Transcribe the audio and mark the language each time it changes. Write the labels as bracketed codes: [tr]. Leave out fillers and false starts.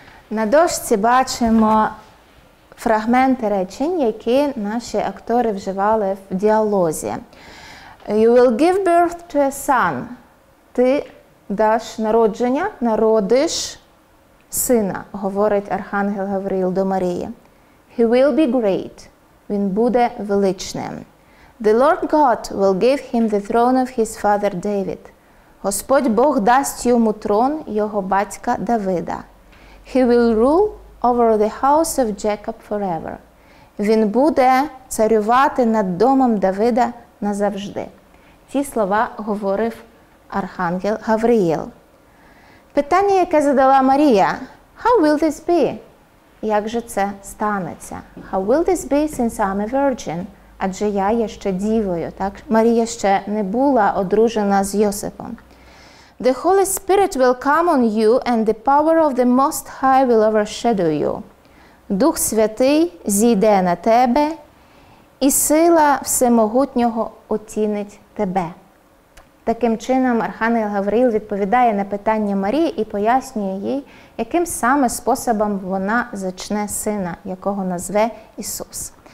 [uk] На дошці бачимо фрагменти речень, які наші актори вживали в діалозі. [en] You will give birth to a son. [uk] Ти даш народження, народиш сина, говорить Архангел Гавриїл до Марії. [en] He will be great. [uk] Він буде величним. [en] The Lord God will give him the throne of his father David. [uk] Господь Бог дасть йому трон його батька Давида. [en] He will rule over the house of Jacob forever. [uk] Він буде царювати над домом Давида назавжди. Ці слова говорив Архангел Гавриїл. Питання, яке задала Марія, [en] how will this be? [uk] Як же це станеться? [en] How will this be, since I'm a virgin? [uk] Адже я є ще дівою, так? Марія ще не була одружена з Йосипом. [en] The Holy Spirit will come on you, and the power of the Most High will overshadow you. [uk] Дух Святий зійде на тебе, і сила Всемогутнього оцінить тебе. Таким чином Архангел Гавриїл відповідає на питання Марії і пояснює їй, яким саме способом вона зачне сина, якого назве Ісус.